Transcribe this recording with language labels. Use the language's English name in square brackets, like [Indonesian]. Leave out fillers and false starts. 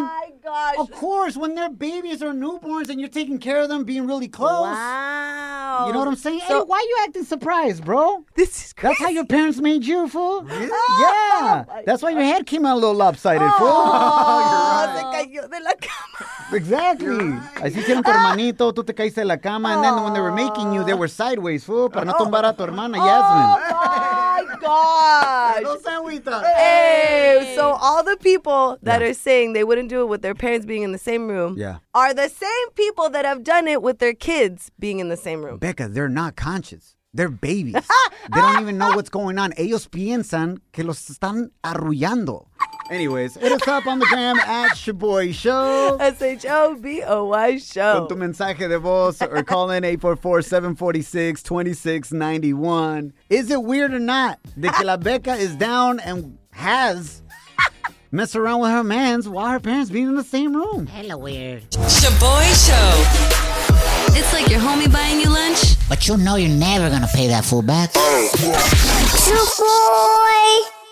[English] My God. gosh. Of course, when they're babies or newborns and you're taking care of them, being really close. Wow. You know what I'm saying? So, hey, why are you acting surprised, bro? This is crazy. That's how your parents made you, fool. Really? Yeah. Oh, that's why your head came out a little lopsided, oh, fool. Oh, you're right. [Spanish] Se cayó de la cama. [English] Exactly. [Spanish] Así hicieron tu hermanito, tú te caíste de la cama. [English] And then when they were making you, they were sideways, fool, [Spanish] para no tumbar a tu hermana, [English] Yasmin. Gosh. Hey, so all the people that are saying they wouldn't do it with their parents being in the same room are the same people that have done it with their kids being in the same room. Becca, they're not conscious. They're babies. They don't even know what's going on. [Spanish] Ellos piensan que los están arrullando. [English] Anyways, hit us up on the gram at Shaboy Show. S-H-O-B-O-Y Show. [Spanish] Con tu mensaje de voz [English] or call in [Spanish] 844-746-2691. [English] Is it weird or not that [Spanish] que la [English] Becca is down and has messed around with her mans while her parents being in the same room? Hella weird. Shaboy Show. It's like your homie buying you lunch, but you know you're never gonna pay that fool back. Shaboy!